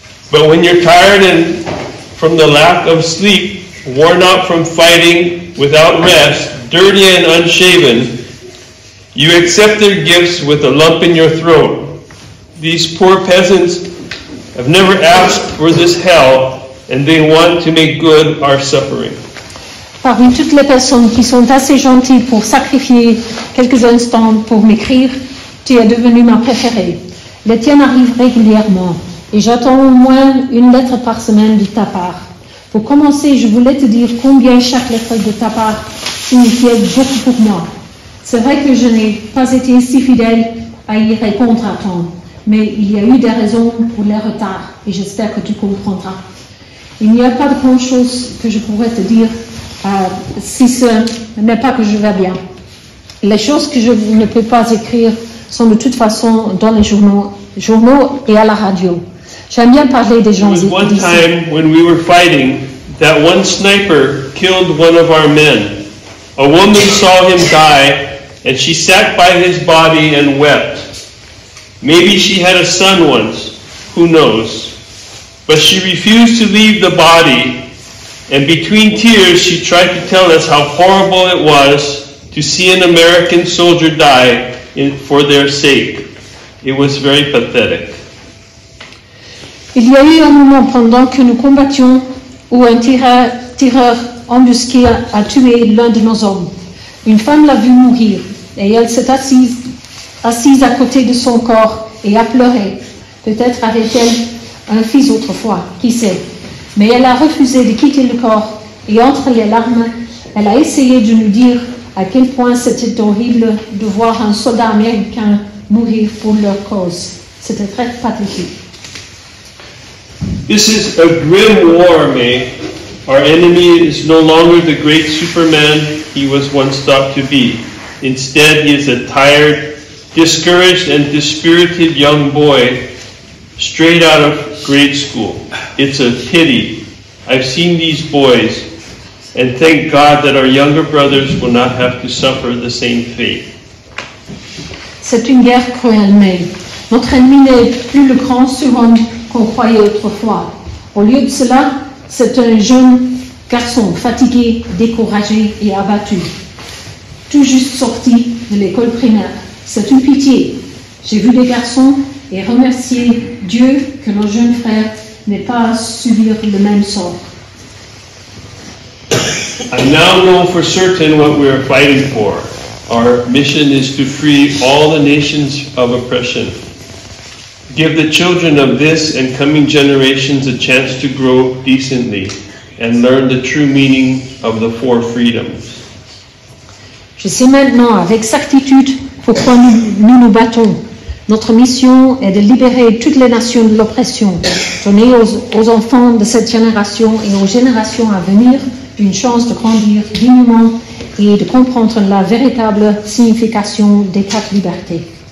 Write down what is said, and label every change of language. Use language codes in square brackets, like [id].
[en] But when you're tired and from the lack of sleep, worn out from fighting, without rest, dirty and unshaven, you accept their gifts with a lump in your throat. These poor peasants have never asked for this hell, and they want to make good our suffering. [fr] Parmi toutes les personnes qui sont assez gentilles pour sacrifier quelques instants pour m'écrire, tu es devenue ma préférée. Les tiennes arrivent régulièrement, et j'attends au moins une lettre par semaine de ta part. Pour commencer, je voulais te dire combien chaque lettre de ta part signifiait beaucoup pour moi. C'est vrai que je n'ai pas été si fidèle à y répondre à temps, mais il y a eu des raisons pour les retards, et j'espère que tu comprendras. Il n'y a pas de grand-chose que je pourrais te dire si ce n'est pas que je vais bien. Les choses que je ne peux pas écrire sont de toute façon dans les journaux et à la radio. J'aime bien parler des gens. [en] It was one time when we were fighting that one sniper killed one of our men. A woman saw him die and she sat by his body and wept. Maybe she had a son once, who knows. But she refused to leave the body and between tears she tried to tell us how horrible it was to see an American soldier die for their sake. It was very pathetic. [fr] Il y a eu un moment pendant que nous combattions où un tireur embusqué a tué l'un de nos hommes. Une femme l'a vu mourir et elle s'est assise à côté de son corps et a pleuré. Peut-être avait-elle un fils autrefois, qui sait. Mais elle a refusé de quitter le corps et entre les larmes, elle a essayé de nous dire à quel point c'était horrible de voir un soldat américain mourir pour leur cause. C'était très pathétique. [en] This is a grim war, May. Our enemy is no longer the great Superman he was once thought to be. Instead, he is a tired, discouraged, and dispirited young boy straight out of grade school. It's a pity. I've seen these boys, and thank God that our younger brothers will not have to suffer the same fate. [fr] C'est une guerre cruelle, May. Notre ennemi n'est plus le grand Superman qu'on croyait autrefois. Au lieu de cela, c'est un jeune garçon fatigué, découragé et abattu, tout juste sorti de l'école primaire. C'est une pitié. J'ai vu des garçons et remercié Dieu que nos jeunes frères n'aient pas à subir le même sort. [en] I now know for certain what we are fighting for. Our mission is to free all the nations of oppression. Give the children of this and coming generations a chance to grow decently and learn the true meaning of the four freedoms. [fr] Je sais maintenant avec certitude pourquoi nous nous battons. Notre mission est de libérer toutes les nations de l'oppression, donner aux enfants de cette génération et aux générations à venir une chance de grandir dignement et de comprendre la véritable signification des quatre libertés.